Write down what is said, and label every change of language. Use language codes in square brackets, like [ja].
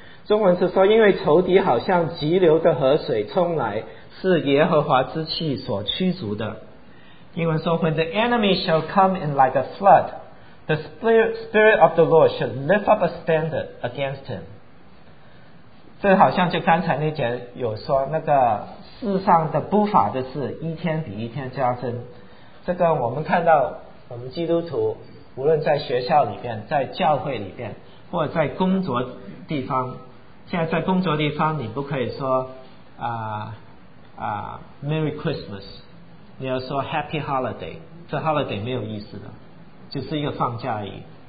[zh] 中文是说，因为仇敌好像急流的河水冲来，是耶和华之气所驱逐的。英文说 [en] When the enemy shall come in like a floodThe spirit of the Lord should lift up a standard against him. [zh] 这好像就刚才那节有说那个世上的不法的事一天比一天加深。这个我们看到我们基督徒无论在学校里边，在教会里边，或者在工作地方，现在在工作地方你不可以说Merry Christmas， 你要说 Happy Holiday， 这 Holiday 没有意思的，就是一个放假而已。